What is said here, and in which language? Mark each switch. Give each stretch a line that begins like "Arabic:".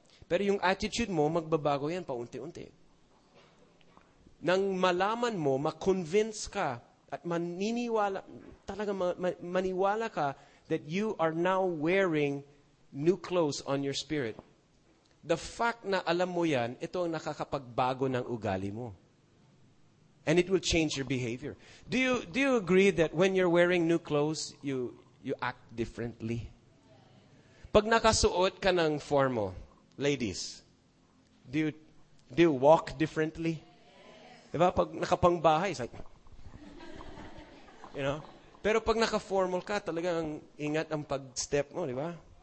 Filipino: Pero yung attitude mo, magbabago yan paunti-unti. Nang malaman mo, ma-convince ka, at maniniwala, talaga maniwala ka
English: that you are now wearing new clothes on your spirit.
Filipino: The fact na alam mo yan, ito ang nakakapagbago ng ugali mo.
English: And it will change your behavior. Do you agree that when you're wearing new clothes, you act differently?
Filipino: Pag nakasuot ka ng formal, ladies,
English: do you walk differently?
Filipino: Diba? Pag nakapangbahay,
English: it's like, you know?
Filipino: Pero pag naka-formal ka, talagang ingat ang pag-step mo, diba?